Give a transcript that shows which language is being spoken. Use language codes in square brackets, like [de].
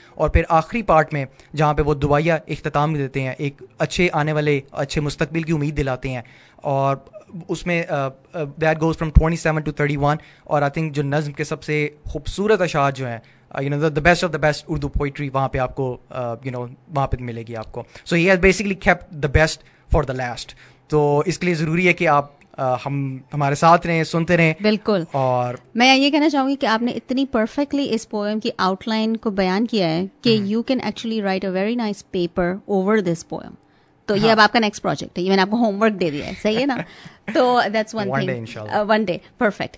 [ur] اور پھر آخری پارٹ میں جہاں پہ وہ دعائیہ اختتام دیتے ہیں, ایک اچھے آنے والے اچھے مستقبل کی امید دلاتے ہیں, اور اس میں [en] That goes from 27 to 31. [ur] اور آئی تھنک جو نظم کے سب سے خوبصورت اشعار جو ہیں, [en] you know, the best of the best Urdu poetry, [ur] وہاں پہ آپ کو you know, وہاں پہ ملے گی آپ کو. [en] So he has basically kept the best for the last. [ur] تو اس کے لیے ضروری ہے کہ آپ ہمارے ساتھ رہیں, سنتے رہیں. بالکل. اور میں یہ کہنا چاہوں گی کہ آپ نے اتنی پرفیکٹلی اس پوئم کی آؤٹ لائن کو بیان کیا ہے کہ [en] You can actually write a very nice paper over this poem. [ur] تو یہ اب آپ کا نیکسٹ پروجیکٹ ہے, میں نے آپ کو ہوم ورک دے دیا ہے, صحیح ہے نا؟ تو [en] That's one thing, one day perfect.